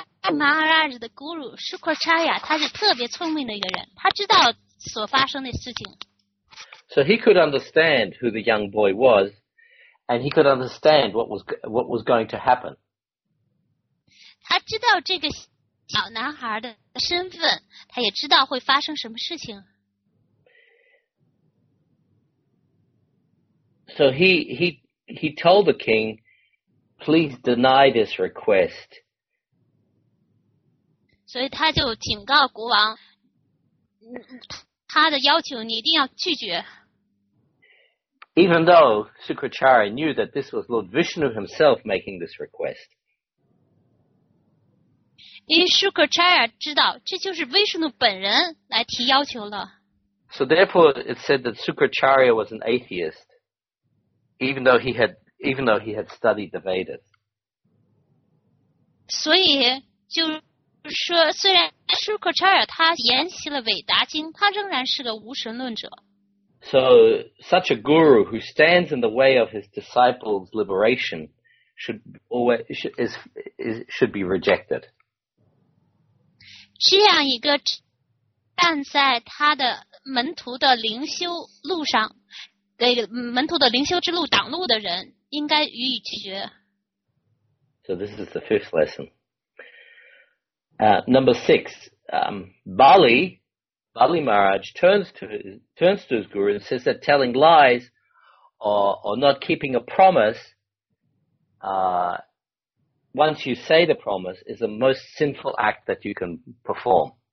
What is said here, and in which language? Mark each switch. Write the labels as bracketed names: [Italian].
[Chinese] Maharaj 的 guru Sukracharya 他是特别聪明的一个人，他知道所发生的事情。 [English] So he could understand who the young boy was, and he could understand what was going to happen. [Chinese] 他知道这个小男孩的身份，他也知道会发生什么事情。 [English] So he told the king, please deny this request. [Chinese] 所以他就警告国王，他的要求你一定要拒绝。 [English] Even though Sukracharya knew that this was Lord Vishnu himself making this request. [Chinese] 因为 Sukracharya 知道这就是 Vishnu 本人来提要求了。 [English] So therefore it said that Sukracharya was an atheist, even though he had studied the Vedas. [Chinese] 所以就说虽然 Sukracharya 他研习了韦达经，他仍然是个无神论者。 [English] So such a guru who stands in the way of his disciples' liberation should be rejected. [Chinese] 这样一个站在他的门徒的灵修路上，给门徒的灵修之路挡路的人应该予以拒绝。 [English] So this is the fifth lesson. Number six, Bali Maharaj turns to his guru and says that telling lies or not keeping a promise, once you say the promise, is the most sinful act that you can perform.